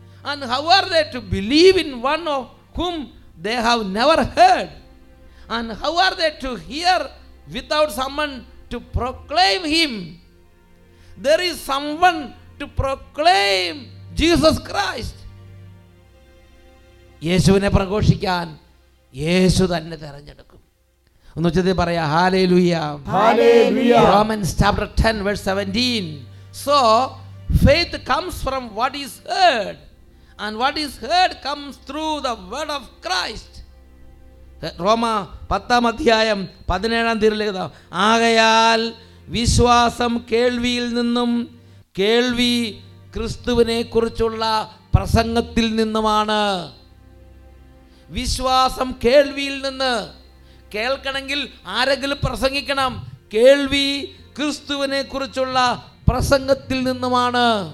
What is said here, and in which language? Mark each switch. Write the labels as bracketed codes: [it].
[en] And how are they to believe in one of whom they have never heard? And how are they to hear without someone to proclaim him? There is someone to proclaim Jesus Christ. [ml] യേശുവിനെ പ്രഘോഷിക്കാൻ യേശു തന്നെ തിരഞ്ഞെടുക്കും. ഒന്നുച്ചത്തിൽ പറയാം, hallelujah. Hallelujah. Romance 10:17. [en] So faith comes from what is heard, and what is heard comes through the word of Christ. [ml] റോമ പത്താം അധ്യായം പതിനേഴാം തീയതി, ആകയാൽ വിശ്വാസം കേൾവിയിൽ നിന്നും കേൾവി ക്രിസ്തുവിനെ കുറിച്ചുള്ള പ്രസംഗത്തിൽ നിന്നുമാണ്. വിശ്വാസം കേൾവിയിൽ നിന്ന്, കേൾക്കണമെങ്കിൽ ആരെങ്കിലും പ്രസംഗിക്കണം, കേൾവി ക്രിസ്തുവിനെ കുറിച്ചുള്ള പ്രസംഗത്തിൽ നിന്നുമാണ്.